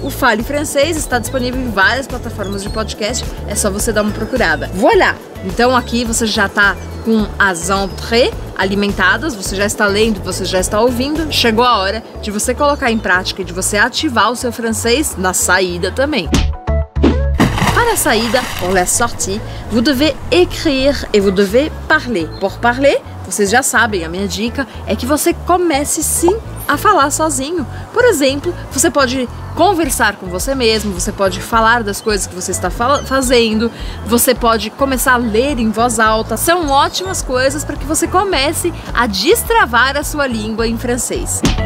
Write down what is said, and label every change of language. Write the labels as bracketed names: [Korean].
[Portuguese] O Fale Francês está disponível em várias plataformas de podcast, é só você dar uma procurada. Voilà! Então aqui você já está com as entrées alimentadas, você já está lendo, você já está ouvindo. Chegou a hora de você colocar em prática e de você ativar o seu francês na saída também. Para a saída, [French] pour la sortie, vous devez écrire et vous devez parler. Pour parler, [Portuguese] vocês já sabem, a minha dica é que você comece sim a falar sozinho. Por exemplo, você pode conversar com você mesmo, você pode falar das coisas que você está fazendo, você pode começar a ler em voz alta. São ótimas coisas para que você comece a destravar a sua língua em francês.